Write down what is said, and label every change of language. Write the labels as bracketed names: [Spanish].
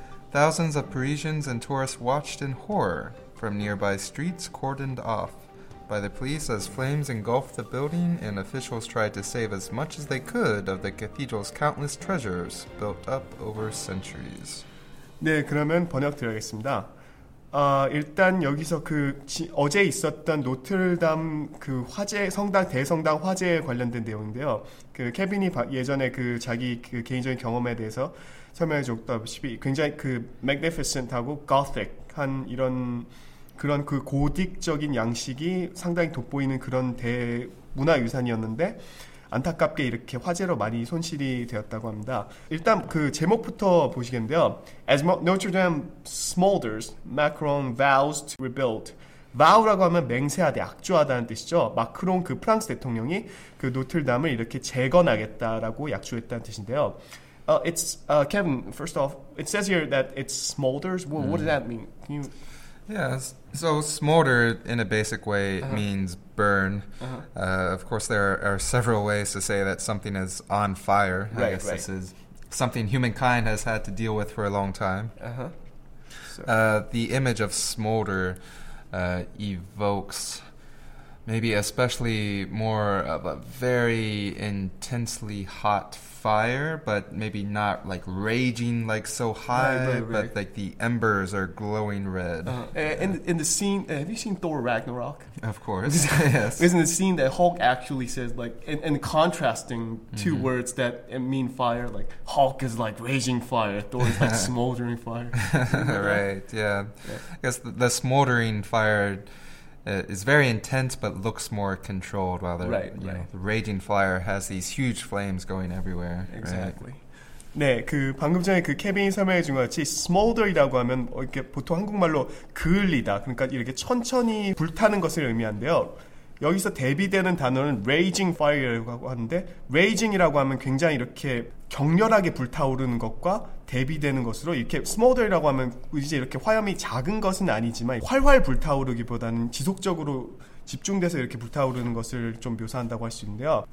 [English] Thousands of Parisians and tourists watched in horror from nearby streets cordoned off by the police as flames engulfed the building and officials tried to save as much as they could of the cathedral's countless treasures built up over centuries. [Korean] 네, 그러면 번역 드리겠습니다. 일단 여기서 어제 있었던 노트르담 그 화재 성당 대성당 화재에 관련된 내용인데요. 그 케빈이 예전에 그 자기 그 개인적인 경험에 대해서 설명해 줬다시피 굉장히 그 magnificent하고 gothic한 이런 그런 그 고딕적인 양식이 상당히 돋보이는 그런 대문화 유산이었는데 안타깝게 이렇게 화재로 많이 손실이 되었다고 합니다. 일단 그 제목부터 보시겠는데요. [English] As Notre Dame smolders, Macron vows to rebuild. [Korean] Vow라고 하면 맹세하되 약조하다는 뜻이죠. 마크롱 그 프랑스 대통령이 그 노트르담을 이렇게 재건하겠다라고 약조했다는 뜻인데요. [English] It's Kevin. First off, it says here that it's smolders. Well, what does that mean? Can you? Yes. So smolder, in a basic way, means burn. Of course, there are several ways to say that something is on fire. I guess this is something humankind has had to deal with for a long time. The image of smolder evokes maybe especially more of a very intensely hot fire, but maybe not like raging like so high, but like the embers are glowing red. In the scene, have you seen Thor Ragnarok? Of course, yes. Isn't the scene that Hulk actually says, like, and contrasting two words that mean fire, like Hulk is like raging fire, Thor is like smoldering fire. I guess the smoldering fire is very intense, but looks more controlled. While the raging fire has these huge flames going everywhere. Exactly. Right? [Korean] 네, 그 방금 전에 그 케빈이 설명해 준 것 같이 smolder이라고 하면 이렇게 보통 한국말로 그을리다. 그러니까 이렇게 천천히 불타는 것을 의미한데요. 여기서 대비되는 단어는 raging fire라고 하는데 raging이라고 하면 굉장히 이렇게 격렬하게 불타오르는 것과 대비되는 것으로 이렇게 smolder이라고 하면 이제 이렇게 화염이 작은 것은 아니지만 활활 불타오르기보다는 지속적으로 집중돼서 이렇게 불타오르는 것을 좀 묘사한다고 할 수 있는데요.